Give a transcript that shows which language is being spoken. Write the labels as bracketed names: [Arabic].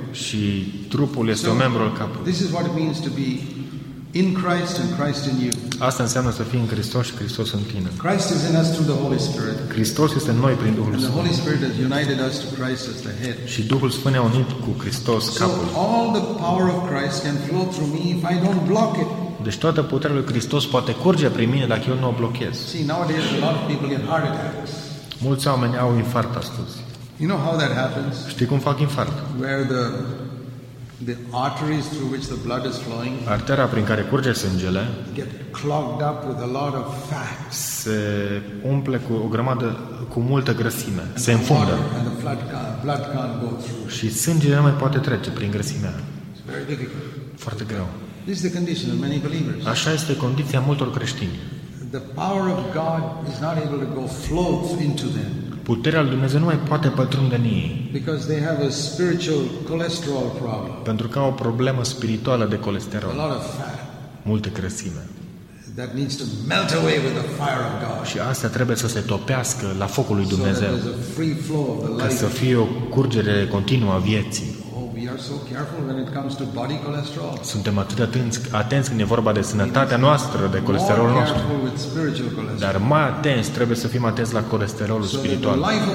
[Romanian] Și trupul este un membru al capului. [English] This is what it means to be in Christ and Christ in you. [Romanian] Asta înseamnă să fii în Hristos și Hristos în tine. [English] Christ is in us through the Holy Spirit. [Romanian] Hristos este în noi prin Duhul Sfânt. [English] The Holy Spirit has united us to Christ as the head. [Romanian] Și Duhul Sfânt ne-a unit cu Hristos capul. [English] So all the power of Christ can flow through me if I don't block it. [Romanian] Deci toată puterea lui Hristos poate curge prin mine dacă eu nu o blochez. [English] See, nowadays a lot of people get heart attacks. [Romanian] Mulți oameni au infart astăzi. [English] You know how that happens? [Romanian] Știi cum fac infart? [English] Where the arteries through which the blood is flowing. [Romanian] Artera prin care curge sângele. [English] Get clogged up with a lot of fat. [Romanian] Se umple cu o grămadă cu multă grăsime. Se înfundă. [English] And the blood can't go through. [Romanian] Și sângele nu mai poate trece prin grăsimea. [English] It's very difficult. [Romanian] Foarte greu. [English] This is the condition of many believers. [Romanian] Așa este condiția multor creștini. [English] The power of God is not able to go flow into them. [Romanian] Puterea lui Dumnezeu nu mai poate pătrunde în ei. [English] Because they have a spiritual cholesterol problem. [Romanian] Pentru că au o problemă spirituală de colesterol. [English] A lot of fat. [Romanian] Multă grăsime. [English] That needs to melt away with the fire of God. [Romanian] Și asta trebuie să se topească la focul lui Dumnezeu. [English] So there's a free flow of the life. [Romanian] Ca să fie o curgere continuă a vieții. [English] Oh, we are so careful when it comes to body cholesterol. [Romanian] Suntem atât de atenți când e vorba de sănătatea noastră, de colesterolul nostru. Dar mai atenți, trebuie să fim atenți la colesterolul spiritual.